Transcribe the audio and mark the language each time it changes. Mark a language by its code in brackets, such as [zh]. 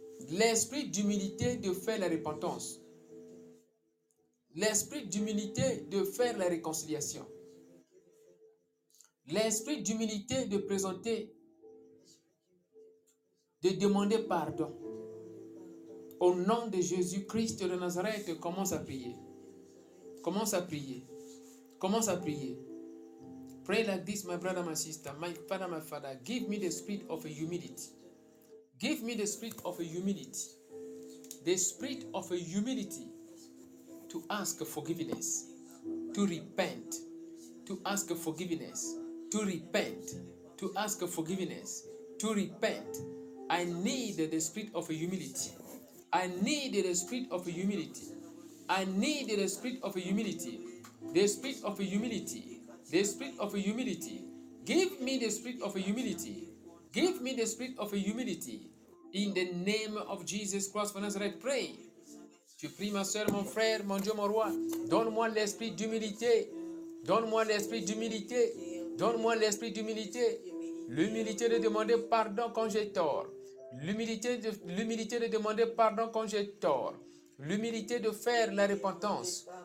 [fr] L'esprit d'humilité de faire la repentance. L'esprit d'humilité de faire la réconciliation. L'esprit d'humilité de présenter, de demander pardon. Au nom de Jésus-Christ de Nazareth, commence à prier. Commence à prier. Commence à prier. [en] Pray like this, my brother, my sister, my father, give me the spirit of humility. Give me the spirit of humility. The spirit of humility to ask forgiveness, to repent, to ask forgiveness, to repent, to ask forgiveness, to repent. I need the spirit of humility. I need the spirit of humility. I need the spirit of humility. The spirit of humility. The spirit of humility. Give me the spirit of humility. Give me the spirit of humility. In the name of Jesus Christ of Nazareth, pray. [fr] Je prie, ma soeur, mon frère, mon Dieu, mon roi. Donne-moi l'esprit d'humilité. Donne-moi l'esprit d'humilité. Donne-moi l'esprit d'humilité. L'humilité de demander pardon quand j'ai tort. L'humilité de demander pardon quand j'ai tort. L'humilité de faire la repentance.